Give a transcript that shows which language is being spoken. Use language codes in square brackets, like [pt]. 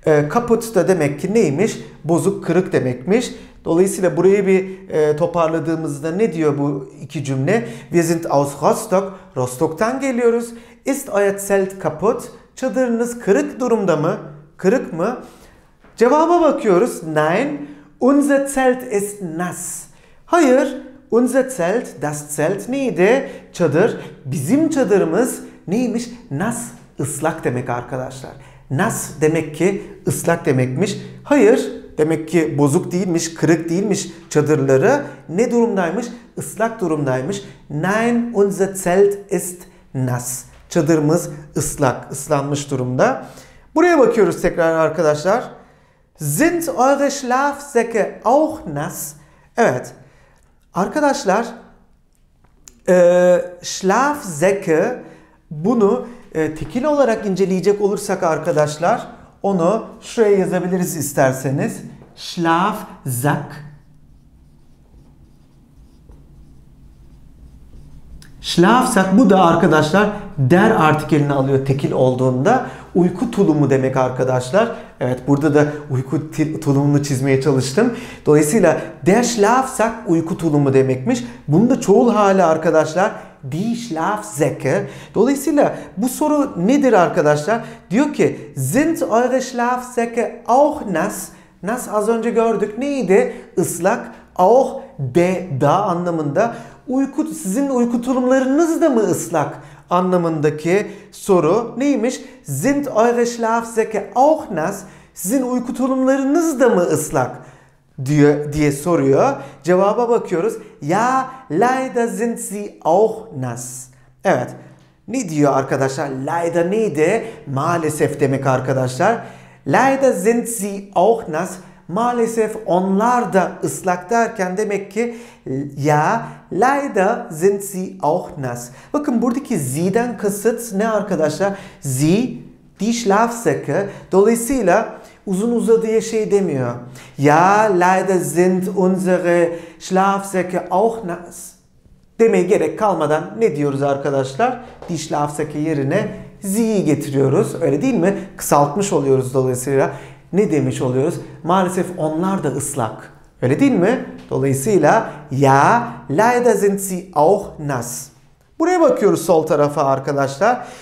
[tr] Kaput da demek ki neymiş? Bozuk, kırık demekmiş. Dolayısıyla burayı bir toparladığımızda ne diyor bu iki cümle? [de] Wir sind aus Rostock, [tr] Rostock'tan geliyoruz. [de] Ist euer Zelt kaputt? [tr] Çadırınız kırık durumda mı? Kırık mı? Cevaba bakıyoruz. [de] Nein, unser Zelt ist nass. [tr] Hayır, [de] unser Zelt, das Zelt [tr] neydi? Çadır. Bizim çadırımız neymiş? Nass, ıslak demek arkadaşlar. Nass demek ki ıslak demekmiş. Hayır, demek ki bozuk değilmiş, kırık değilmiş çadırları. Ne durumdaymış? Islak durumdaymış. [de] Nein, unser Zelt ist nass. [tr] Çadırımız ıslak, ıslanmış durumda. Buraya bakıyoruz tekrar arkadaşlar. [de] Sind eure Schlafsäcke auch nass? [tr] Evet. Arkadaşlar, Schlafsäcke, bunu tekil olarak inceleyecek olursak arkadaşlar, onu şuraya yazabiliriz isterseniz. [de] Schlafsack. [tr] Schlafsack, bu da arkadaşlar der artikelini alıyor tekil olduğunda. Uyku tulumu demek arkadaşlar. Evet, burada da uyku tulumunu çizmeye çalıştım. Dolayısıyla der Schlafsack uyku tulumu demekmiş. Bunun da çoğul hali arkadaşlar. Die Schlafsäcke. Dolayısıyla bu soru nedir arkadaşlar? Diyor ki [de] sind eure Schlafsäcke auch nass? [tr] Nass az önce gördük. Neydi? Islak. Auch de da anlamında. Uyku, sizin uyku tulumlarınız da mı ıslak anlamındaki soru neymiş? [de] Sind eure Schlafsäcke auch nass? [tr] Sizin uyku tulumlarınız da mı ıslak diye soruyor. Cevaba bakıyoruz. [de] Ja, leider sind sie auch nass. [tr] Evet. Ne diyor arkadaşlar? Leider neydi? Maalesef demek arkadaşlar. [de] Leider sind sie auch nass. [tr] Maalesef onlar da ıslak derken demek ki [de] ya leider sind sie auch nass. [tr] Bakın buradaki sie'den kasıt ne arkadaşlar? [de] Sie, die Schlafsäcke. [tr] Dolayısıyla uzun uzadıya şey demiyor. [de] Ya leider sind unsere Schlafsäcke auch nass. [tr] Demeye gerek kalmadan ne diyoruz arkadaşlar? [de] Die Schlafsäcke [tr] yerine sie'yi getiriyoruz. Öyle değil mi? Kısaltmış oluyoruz dolayısıyla. Ne demiş oluyoruz? Maalesef onlar da ıslak. Öyle değil mi? Dolayısıyla [de] ya leider sind sie auch nass. [tr] Buraya bakıyoruz sol tarafa arkadaşlar.